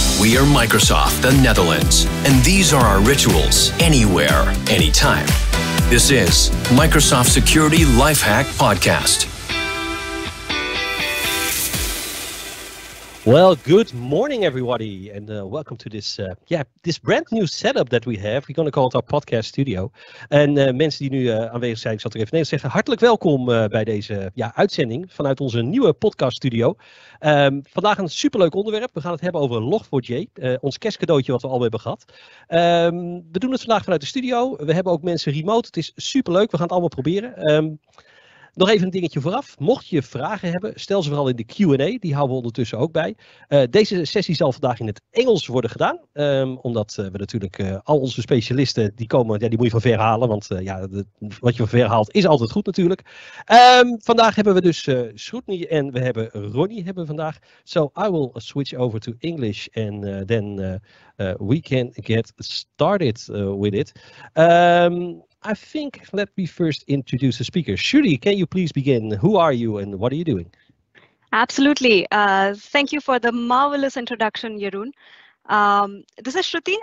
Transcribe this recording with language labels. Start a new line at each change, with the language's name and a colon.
English: We are Microsoft, the Netherlands, and these are our rituals anywhere, anytime. This is Microsoft Security Lifehack Podcast. Well, good morning, everybody, and welcome to this this brand new setup that we have. We're going to call it our podcast studio.
Dutch: En mensen die nu aanwezig zijn, ik zal toch even Nederlands zeggen, hartelijk welkom bij deze uitzending vanuit onze nieuwe podcast studio. Vandaag een superleuk onderwerp. We gaan het hebben over Log4J, ons kerstcadeautje wat we al hebben gehad. We doen het vandaag vanuit de studio. We hebben ook mensen remote. Het is superleuk. We gaan het allemaal proberen. Nog even een dingetje vooraf. Mocht je vragen hebben, stel ze vooral in de Q&A. Die houden we ondertussen ook bij. Deze sessie zal vandaag in het Engels worden gedaan. Omdat we natuurlijk al onze specialisten, die komen, die moet je van ver halen. Want wat je van ver haalt is altijd goed natuurlijk. Vandaag hebben we dus Srutni en we hebben Ronnie hebben we vandaag.
English: So I will switch over to English and then we can get started with it. I think let me first introduce the speaker. Shuri, can you please begin? Who are you and what are you doing? Absolutely. Thank you for the marvelous introduction, Jeroen. This is Shruti.